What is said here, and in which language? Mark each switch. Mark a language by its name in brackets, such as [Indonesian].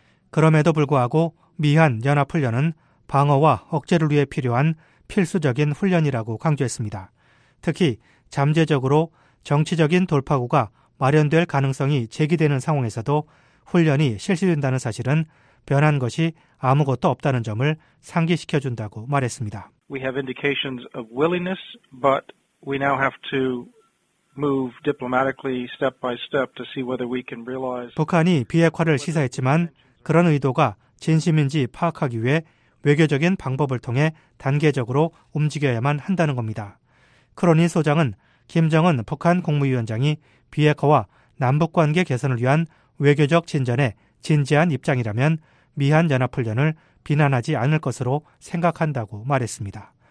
[Korean] 그럼에도 불구하고 미한연합훈련은 방어와 억제를 위해 필요한 필수적인 훈련이라고 강조했습니다. 특히 잠재적으로 정치적인 돌파구가 마련될 가능성이 제기되는 상황에서도 훈련이 실시된다는 사실은 변한 것이 아무것도 없다는 점을 상기시켜준다고 말했습니다. [English] We have indications of willingness, but we now have to move diplomatically step by step to see whether we can realize. [Korean] 북한이 비핵화를 시사했지만 그런 의도가 진심인지 파악하기 위해 외교적인 방법을 통해 단계적으로 움직여야만 한다는 겁니다. 크로니 소장은 김정은 북한 국무위원장이 비핵화와 남북관계 개선을 위한 외교적 진전에 진지한 입장이라면 미한연합훈련을 비난하지 않을 것으로 생각한다고 말했습니다.